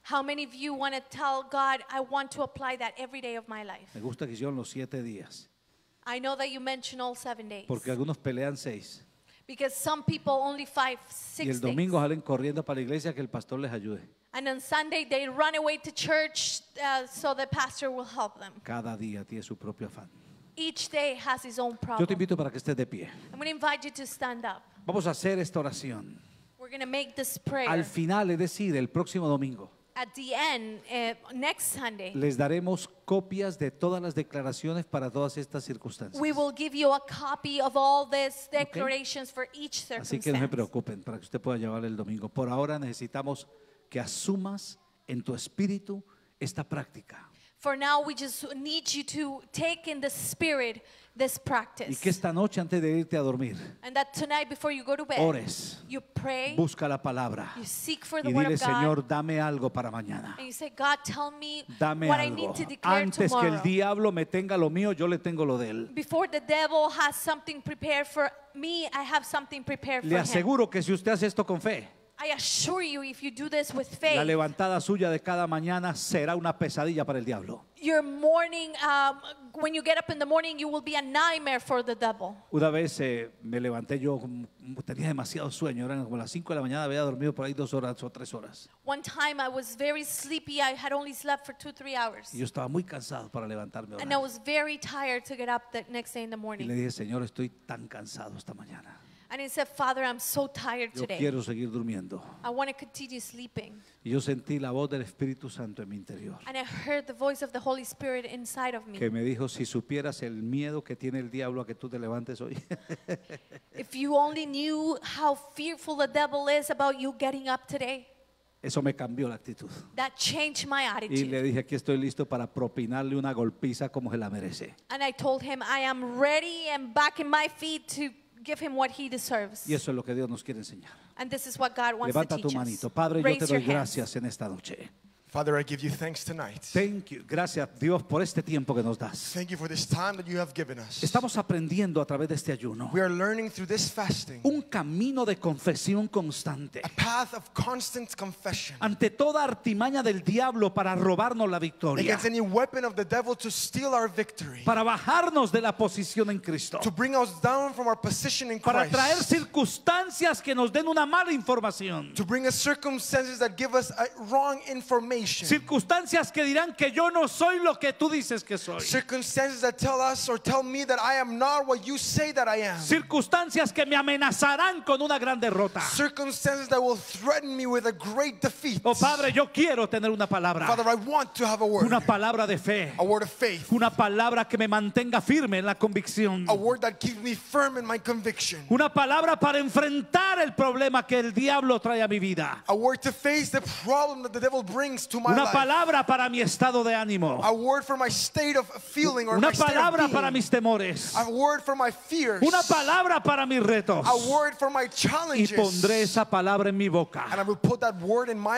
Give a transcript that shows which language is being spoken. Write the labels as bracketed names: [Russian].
[English] How many of you want to tell God, I want to apply that every day of my life? [Spanish] Me gusta que hicieron los siete días. [English] I know that you mentioned all 7 days. [Spanish] Porque algunos pelean seis. [English] Because some people only five, six days. [Spanish] Y el domingo salen corriendo para la iglesia que el pastor les ayude. [English] And on Sunday they run away to church so the pastor will help them. [Spanish] Cada día tiene su propio afán. [English] Each day has his own problem. [Spanish] Yo te invito para que estés de pie. [English] I'm going to invite you to stand up. [Spanish] Vamos a hacer esta oración. [English] We're going to make this prayer. [Spanish] Al final, es decir, el próximo domingo. [English] At the end, next Sunday. [Spanish] Les daremos copias de todas las declaraciones para todas estas circunstancias. [English] We will give you a copy of all these declarations for each circumstance. [Spanish] Así que no se preocupen para que usted pueda llevar el domingo. Por ahora necesitamos que asumas en tu espíritu esta práctica. [English] For now we just need you to take in the spirit this practice. [Spanish] Y que esta noche antes de irte a dormir. [English] And that tonight before you go to bed. [Spanish] Ores. [English] You pray. [Spanish] Busca la palabra. [English] You seek for the [Spanish] y [English] word [Spanish] dile, [English] of God. [Spanish] Señor, dame algo para mañana. [English] And you say, God, tell me [Spanish] dame [English] what [Spanish] algo. [English] I need to declare [Spanish] antes [English] tomorrow. [Spanish] Antes que el diablo me tenga lo mío, yo le tengo lo de él. [English] Before the devil has something prepared for me, I have something prepared [Spanish] le [English] for him. [Spanish] Le aseguro que si usted hace esto con fe. [English] I assure you, if you do this with faith, [Spanish] la levantada suya de cada mañana será una pesadilla para el diablo. [English] Your morning, when you get up in the morning, you will be a nightmare for the devil. [Spanish] Una vez me levanté yo, tenía demasiado sueño, eran como las 5 de la mañana, había dormido por ahí 2 horas o 3 horas. [English] One time I was very sleepy, I had only slept for 2-3 hours. [Spanish] Y yo estaba muy cansado para levantarme. [English] And I was very tired to get up the next day in the morning. [Spanish] Y le dije, Señor, estoy tan cansado esta mañana. [English] And he said, Father, I'm so tired [Spanish] yo [English] today. [Spanish] Quiero seguir durmiendo. [English] I want to continue sleeping. [Spanish] Y yo sentí la voz del Espíritu Santo en mi interior. [English] And I heard the voice of the Holy Spirit inside of me. [Spanish] Que me dijo, si supieras el miedo que tiene el diablo a que tú te levantes hoy. [English] If you only knew how fearful the devil is about you getting up today. [Spanish] Eso me cambió la actitud. [English] That changed my attitude. [Spanish] Y le dije, aquí estoy listo para propinarle una golpiza como se la merece. [English] And I told him, I am ready and back in my feet to give him what he deserves. [Spanish] Y eso es lo que Dios nos quiere enseñar. [English] And this is what God wants [Spanish] levanta [English] to teach [Spanish] tu manito. Padre, [English] us. [Spanish] Yo te doy gracias en esta noche. [English] Father, I give you thanks tonight. Thank you. [Spanish] Gracias, Dios, por este tiempo que nos das. [English] Thank you for this time that you have given us. [Spanish] Estamos aprendiendo a través de este ayuno. [English] We are learning through this fasting. [Spanish] Un camino de confesión constante. [English] A path of constant confession. [Spanish] Ante toda artimaña del diablo para robarnos la victoria. [English] Against any weapon of the devil to steal our victory. [Spanish] Para bajarnos de la posición en Cristo. [English] To bring us down from our position in [Spanish] para [English] Christ. [Spanish] Para traer circunstancias que nos den una mala información. [English] To bring us circumstances that give us a wrong information. [Spanish] Circunstancias que dirán que yo no soy lo que tú dices que soy. [English] Circumstances that tell us or tell me that I am not what you say that I am. [Spanish] Circunstancias que me amenazarán con una gran derrota. [English] Circumstances that will threaten me with a great defeat. [Spanish] Oh Padre, yo quiero tener una palabra. [English] Father, I want to have a word. [Spanish] Una palabra de fe. [English] A word of faith. [Spanish] Una palabra que me mantenga firme en la convicción. [English] A word that keeps me firm in my conviction. [Spanish] Una palabra para enfrentar el problema que el diablo trae a mi vida. [English] A word to face the problem that the devil brings. [Spanish] Una palabra para mi estado de ánimo. [English] A word for my state of feeling or [Spanish] una palabra para mis temores. [English] A word for my fears. [Spanish] Una palabra para mis retos. [English] A word for my challenges. [Spanish] Y pondré esa palabra en mi boca. [English] And I will put that word in my